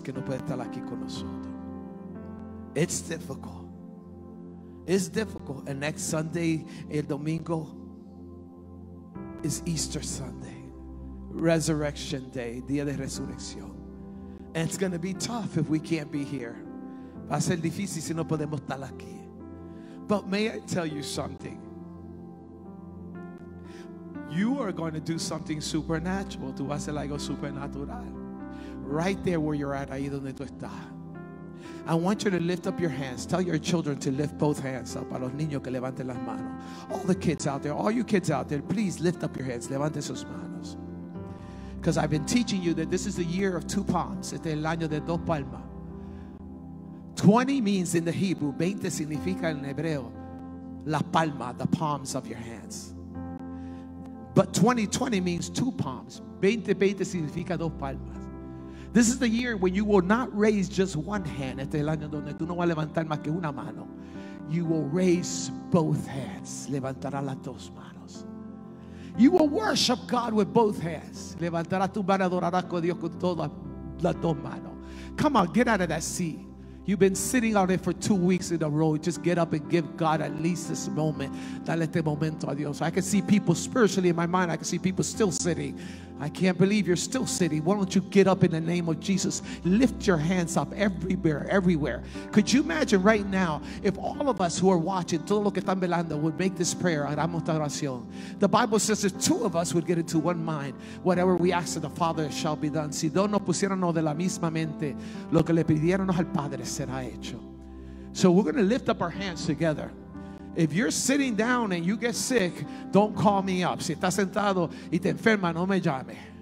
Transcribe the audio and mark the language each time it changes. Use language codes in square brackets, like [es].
[es] Que no puedes estar aquí con nosotros. [en] It's difficult. It's difficult. And next Sunday, [es] el domingo, [en] is Easter Sunday. Resurrection Day, [es] Día de Resurrección. [en] And it's going to be tough if we can't be here. [es] Va a ser difícil si no podemos estar aquí. [en] But may I tell you something? You are going to do something supernatural. [es] Tú vas a hacer algo supernatural. [en] Right there where you're at, [es] ahí donde tú estás. [en] I want you to lift up your hands. Tell your children to lift both hands up. [es] A los niños que levanten las manos. [en] All the kids out there, all you kids out there, please lift up your hands. [es] Levanten sus manos. [en] Because I've been teaching you that this is the year of two palms. [es] Este es el año de dos palmas. [en] 20 means in the Hebrew. [es] 20 significa en hebreo. La palma, [en] the palms of your hands. But 2020 means two palms. [es] 20 significa dos palmas. [en] This is the year when you will not raise just one hand. [es] Este es el año donde tú no vas a levantar más que una mano. [en] You will raise both hands. [es] Levantará las dos manos. [en] You will worship God with both hands. [es] Levantará tu mano, adorará con Dios con todas las dos manos. [en] Come on, get out of that seat. You've been sitting on it for 2 weeks in a row. Just get up and give God at least this moment. [es] Dale este momento a Dios. [en] I can see people spiritually in my mind. I can see people still sitting. I can't believe you're still sitting. Why don't you get up in the name of Jesus? Lift your hands up everywhere, everywhere. Could you imagine right now if all of us who are watching, [es] todo lo que están velando, [en] would make this prayer, [es] hagamos esta oración. [en] The Bible says if two of us would get into one mind, whatever we ask of the Father shall be done. [es] Si dos nos pusiéramos de la misma mente, lo que le pidiéramos al Padre será hecho. [en] So we're going to lift up our hands together. If you're sitting down and you get sick, don't call me up. [es] Si estás sentado y te enferma, no me llame.